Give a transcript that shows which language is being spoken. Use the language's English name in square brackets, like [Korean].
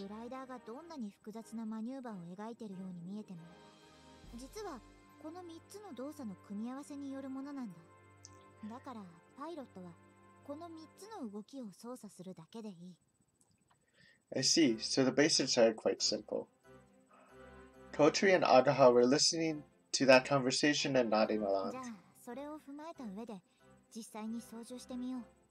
[Japanese] グライダーがどんなに複雑なマニューバーを描いているように見えても、実はこの3つの動作の組み合わせによるものなんだ。だからパイロットはこの3つの動きを操作するだけでいい。 [English] I see. So the basics are quite simple. Kotori and Agaha were listening to that conversation and nodding along. [Japanese] じゃあそれを踏まえた上で実際に操縦してみよう。